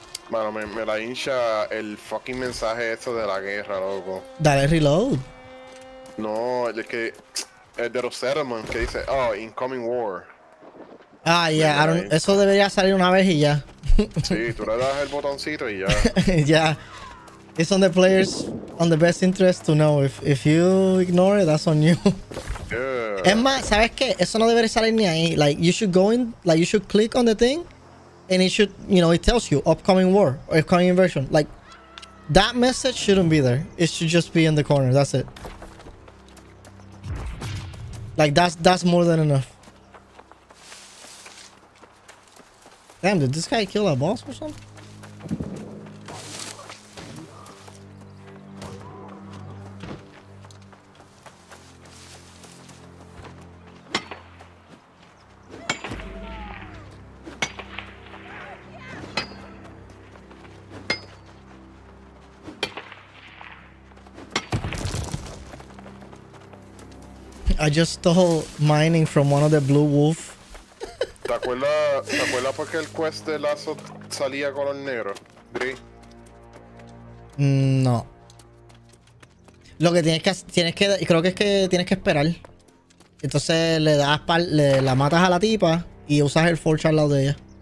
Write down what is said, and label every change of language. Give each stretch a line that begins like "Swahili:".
Spanish: Bueno, me la hincha el fucking mensaje esto de la guerra, loco. Dale reload. No, es que... Es de los settlements que dice,
English: oh, incoming war.
Spanish: Ah, ya, yeah. Eso debería salir una vez y ya. Sí, tú le das el botoncito y ya. Ya. Yeah.
English: It's on the players, on the best interest to know. If you ignore it, that's on you. Yeah.
Spanish: Es más, ¿sabes qué? Eso no debería salir ni ahí.
English: Like, you should go in, like, you should click on the thing, and it should, you know, it tells you upcoming war, or upcoming invasion. Like, that message shouldn't be there. It should just be in the corner. That's it. Like, that's more than enough. Damn, did this guy kill a boss or something? I just stole mining from one of the blue wolf.
Spanish: ¿Te acuerdas por qué el quest de Lazo salía color negro? ¿Gris? No. Lo que tienes que hacer, creo que es que tienes que esperar. Entonces le das la matas a la tipa y usas el Forge al lado de ella.